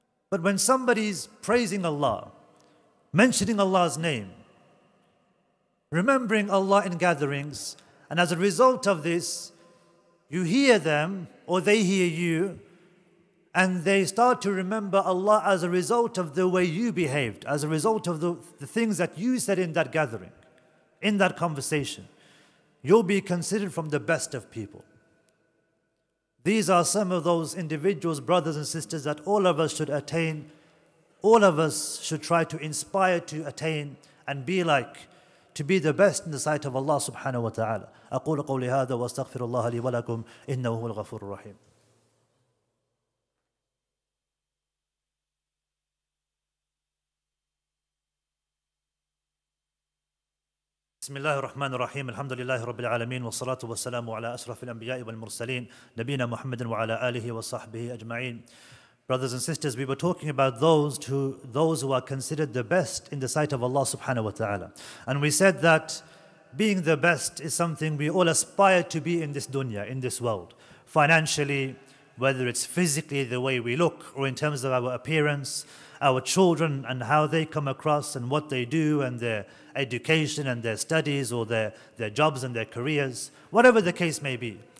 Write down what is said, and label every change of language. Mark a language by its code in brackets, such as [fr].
[en] But when somebody's praising Allah, mentioning Allah's name, remembering Allah in gatherings, and as a result of this, you hear them or they hear you, and they start to remember Allah as a result of the way you behaved, as a result of the things that you said in that gathering, in that conversation, you'll be considered from the best of people. These are some of those individuals, brothers and sisters, that all of us should attain, all of us should try to inspire to attain and be like, to be the best in the sight of Allah subhanahu wa ta'ala. [ar] أقول قولي هذا واستغفر الله لي ولكم إنه هو الغفور الرحيم. بسم الله الرحمن الرحيم الحمد لله رب العالمين والصلاة والسلام على أشرف الأنبياء والمرسلين نبينا محمد وعلى آله وصحبه أجمعين. [en] Brothers and sisters, we were talking about those who are considered the best in the sight of Allah subhanahu wa ta'ala. And we said that being the best is something we all aspire to be in this dunya, in this world. Financially, whether it's physically the way we look or in terms of our appearance, our children and how they come across and what they do and their education and their studies or their jobs and their careers, whatever the case may be.